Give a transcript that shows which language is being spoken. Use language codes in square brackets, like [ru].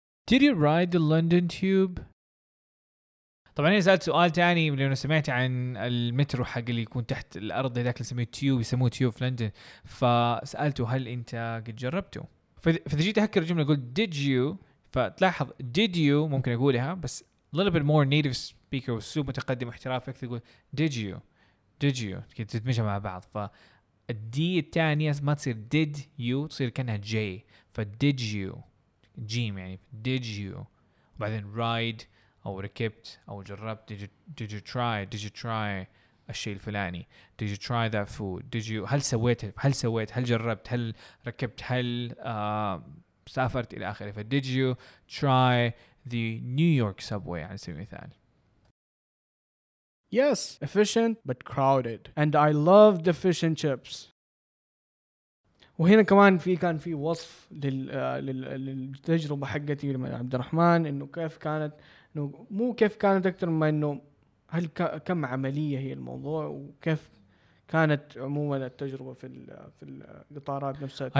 [en] Did you ride the London Tube? [ar] طبعا انا سألت سؤال تاني، لانه سمعت عن المترو حق اللي يكون تحت الارض هذاك اللي نسميه تيوب، يسموه تيوب في لندن. فسألته هل انت قد جربته؟ فاذا جيت اهكر الجملة اقول [en] did you، [ar] فتلاحظ did you ممكن اقولها بس [en] a little bit more native speaker [ar] واسلوب متقدم واحتراف اكثر، يقول did you تدمجها مع بعض. ف الدي الثانية ما تصير did you، تصير كأنها j، ف did you جيم يعني did you، وبعدين ride أو ركبت أو جربت، [en] did you try [ar] الشيء الفلاني، [en] did you try that food، [ar] did you هل سويت هل جربت هل ركبت هل سافرت إلى آخره. [en] ف did you try the New York subway [ar] على سبيل المثال. [en] Yes, efficient but crowded, and I love the fish and chips. [ar] وهنا كمان كان في وصف للتجربة حقتي مع عبد الرحمن، إنه كيف كانت، إنه مو كيف كانت أكثر ما إنه هل كم عملية هي الموضوع، وكيف كانت عموما التجربة في القطارات نفسها.